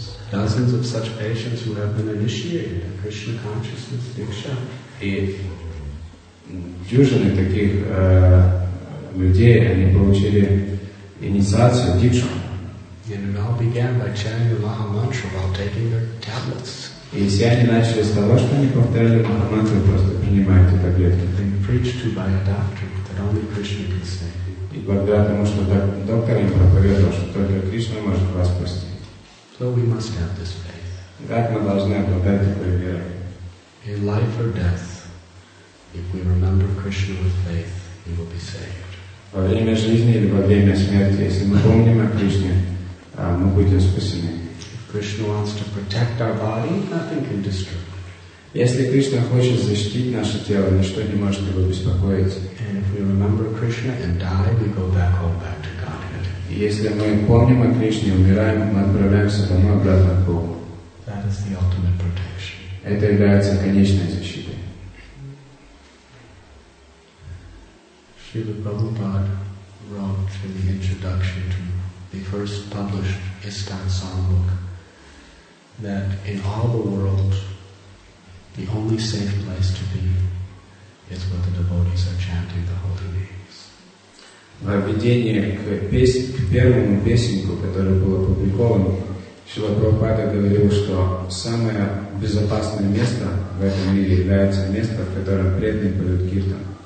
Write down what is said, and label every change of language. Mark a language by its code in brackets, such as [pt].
[en] Dozens of such patients who have been initiated in Krishna consciousness, Diksha. [ru] И дюжины таких людей, они получили инициацию, дикшу. [en] And it all began by chanting the Maha Mantra while taking their tablets. [ru] И все они начали с того, что они повторяли мантру, просто принимайте таблетки. [en] They preach to by a doctor that only Krishna can save. [ru] И благодаря тому, что доктор им проповедовал, что только Кришна может вас спасти. [en] So we must have this faith. [ru] Так мы должны обладать такой верой. [en] In life or death, if we remember Krishna with faith, we will be saved. [ru] Во время жизни или во время смерти, если мы помним о Кришне, мы будем спасены. [en] Krishna wants to protect our body, nothing can destroy. [ru] Если Кришна хочет защитить наше тело, ничто не может его беспокоить. [en] And if we remember Krishna and die, we go back home, back to Godhead. [ru] Если мы помним о Кришне, умираем, мы отправляемся домой обратно к Богу. [en] That is the ultimate protection. [ru] Это является конечной защитой. [en] Srila Prabhupada wrote in the introduction to the first published Iskcon songbook that in all the world the only safe place to be is where the devotees are chanting the holy names. [ru] Во введение к первому песенку, которое было опубликовано, Шрила Прабхупада говорил, что самое безопасное место в этом мире является место, в котором преданные поют киртан.